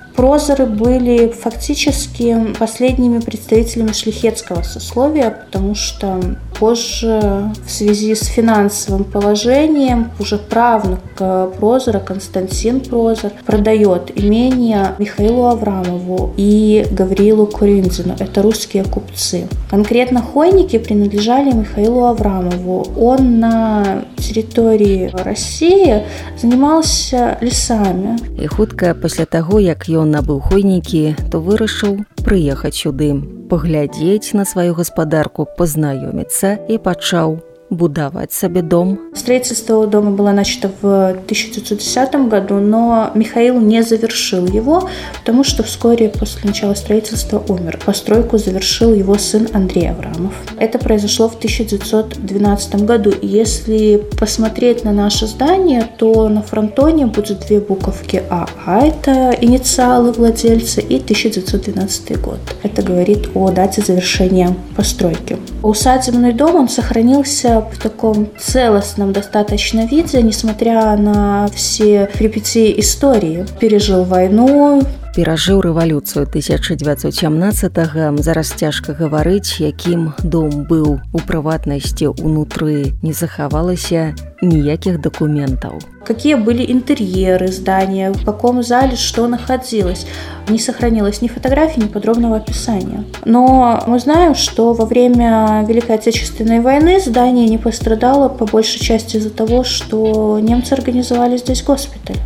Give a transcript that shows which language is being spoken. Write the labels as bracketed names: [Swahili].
[Russian] Прозоры были фактически последними представителями шляхетского сословия, потому что позже в связи с финансовым положением уже правнук Прозора, Константин Прозор, продает имение Михаилу Аврамову и Гавриилу Куриндзину. Это русские купцы. Конкретно хойники принадлежали Михаилу Аврамову. Он на территории России занимался лесами. [Belarusian] И хутка после того, как он набыў хойнікі, то вырашыў прыехаць сюды, паглядзець на сваю гаспадарку, пазнаёміцца і пачаў будаваць сабе дом. [Russian] Строительство дома было начато в 1910 году, но Михаил не завершил его, потому что вскоре после начала строительства умер. Постройку завершил его сын Андрей Аврамов. Это произошло в 1912 году. Если посмотреть на наше здание, то на фронтоне будут две буковки АА, это инициалы владельца, и 1912 год. Это говорит о дате завершения постройки. Усадебный дом, он сохранился в таком целостном достаточно виде, несмотря на все перипетии истории. Пережил войну. [Belarusian] Перажыў рэвалюцыю 1917-го. Зараз цяжка гаварыць, якім дом быў у прыватнасці ўнутры. Не захавалася ніякіх дакументаў. [Russian] какие были интерьеры здания, в каком зале что находилось. Не сохранилось ни фотографий, ни подробного описания. Но мы знаем, что во время Великой Отечественной войны здание не пострадало по большей части из-за того, что немцы организовали здесь госпиталь.